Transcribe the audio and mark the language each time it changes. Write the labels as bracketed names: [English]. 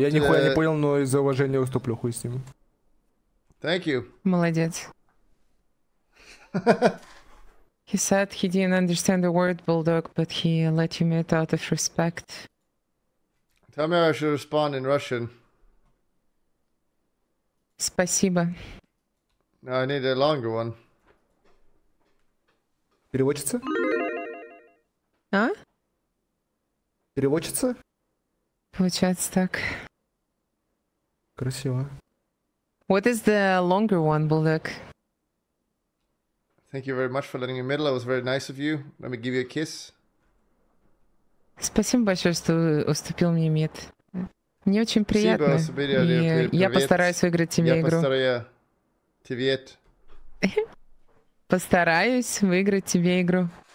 [Russian] Я нихуя не понял, но из-за уважения уступлю, хуй с ним. [English] Thank you. [Russian] Молодец. [English] He said he didn't understand the word bulldog, but he let you meet out of respect. Tell me how I should respond in Russian. [Russian] Спасибо. [English] No, I need a longer one. [Russian] Переводится? А? Переводится? Получается так. Красиво. [English] What is the longer one, Bulldog? Thank you very much for letting me middle. It was very nice of you. Let me give you a kiss. [Russian] Спасибо большое, что уступил мне мид. Мне очень приятно. Спасибо, особенно, и я постараюсь выиграть тебе я игру. Я постараюсь. Привет. Постараюсь выиграть тебе игру.